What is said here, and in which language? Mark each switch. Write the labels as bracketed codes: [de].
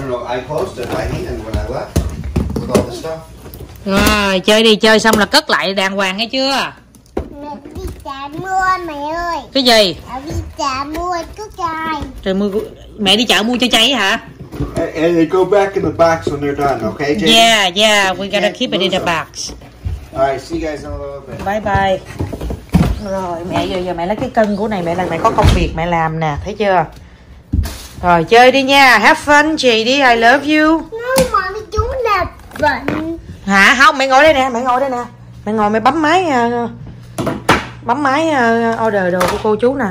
[en] I closed it, I hid it when I left. [vi] Rồi, chơi đi, chơi xong là cất lại đàng hoàng nghe chưa? Mẹ đi trả mưa mẹ ơi. Cái gì? Mẹ đi trả mưa cho chay. Trời mưa, mẹ đi chợ mua cho chay hả? [en] And they go back in the box when they're done, okay? Jay? Yeah, we gotta keep it in the box. All right, see you guys in a little bit. Bye bye. [vi] Rồi, mẹ giờ mẹ lấy cái cân của này, mẹ có công việc mẹ làm nè, thấy chưa? Rồi chơi đi nha. [en] Have fun, JD. I love you. [vi] Không, mẹ chú là bệnh. Hả? Không, mẹ ngồi đây nè, mẹ ngồi đây nè. Mẹ ngồi mẹ bấm máy order đồ của cô chú nè.